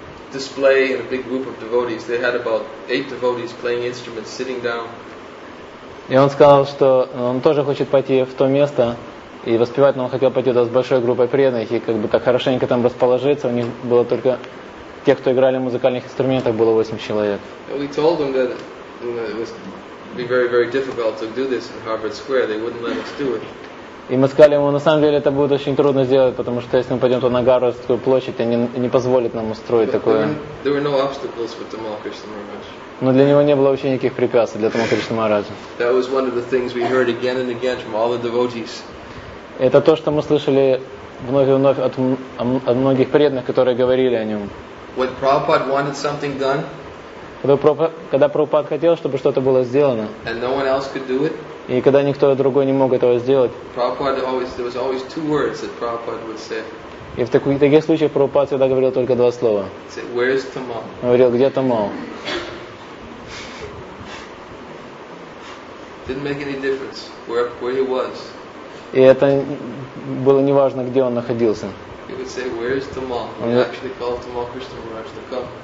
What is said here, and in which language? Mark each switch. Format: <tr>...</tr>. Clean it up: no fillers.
<en>display and a big group of devotees. They had about 8 devotees playing instruments, sitting down.</en> <ru>И он сказал, что он тоже хочет пойти в то место и воспевать, но он хотел пойти туда с большой группой преданных и как бы так хорошенько там расположиться. У них было только тех, кто играли музыкальных инструментах, было 8 человек.</ru> <en>We told them that it was be very, very difficult to do this in Harvard Square. They wouldn't let us do it.</en> <ru>И мы сказали ему, на самом деле это будет очень трудно сделать, потому что если мы пойдем туда на Гарвардскую площадь, они не позволят нам устроить такое.</ru> <en>There were no obstacles for Tamal Krishna Maharaj.</en> <ru>Но для него не было вообще никаких препятствий для Тамал Кришна Махараджа.</ru> <en>That was one of the things we heard again and again from all the devotees.</en> <ru>Это то, что мы слышали вновь и вновь от многих преданных, которые говорили о нем.</ru> <en>When Prabhupada wanted something done,</en> <ru>когда Прабхупад хотел, чтобы что-то было сделано,</ru> <en>and no one else could do it,</en> <ru>и когда никто другой не мог этого сделать,</ru> <en>Prabhupada always, there was always two words that Prabhupada would say.</en> <ru>И в таких случаях Прабхупад всегда говорил только два слова.</ru> <en>Say, where's Tamal?</en> <ru>Он говорил, где Тамал?</ru> <en>Didn't make any difference where he was.</en> <ru>И это было не важно, где он находился.</ru> <en>He would say, where's Tamal? He actually called Tamal Krishna Maharaj to come.</en>